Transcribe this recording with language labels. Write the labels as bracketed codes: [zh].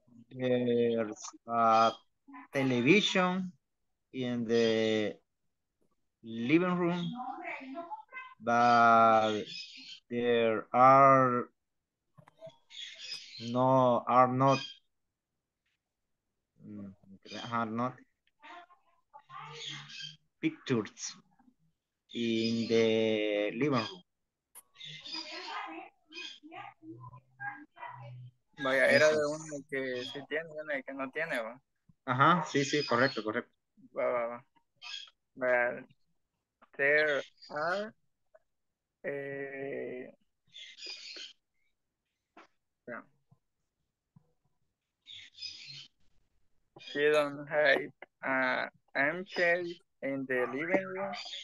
[en] There's a television in the living room, but there are not pictures in the living room. [es] Vaya, era de uno que sí tiene y uno que no tiene, ¿va? Ajá, sí, correcto, correcto. Va, va, va. [en] Vaya, there are we don't have empty in the living room.